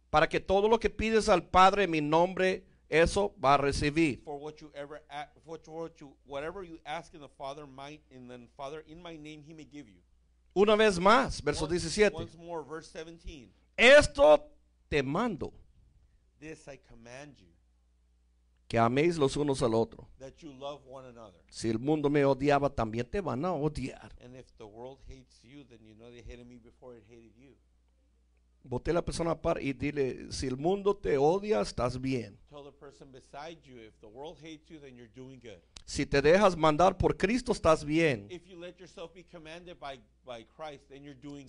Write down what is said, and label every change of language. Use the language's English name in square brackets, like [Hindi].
[Spanish] Para que todo lo que pides al Padre en mi nombre, eso va a recibir. [English] For what you ever ask, whatever you ask in the Father, in my name, he may give you. [Spanish] Una vez más, verso 17. [English] Once more, verse 17. [Spanish] Esto te mando. [English] This I command you. [Spanish] Que améis los unos al otro. [English] That you love one another. [Spanish] Si el mundo me odiaba, también te van a odiar. [English] And if the world hates you, then you know they hated me before it hated you. [Spanish] Voltea la persona par y dile, si el mundo te odia, estás bien. [English] Tell the person beside you, if the world hates you, then you're doing good. [Spanish] Si te dejas mandar por Cristo, estás bien. [English] If you let yourself be commanded by Christ, then you're doing good.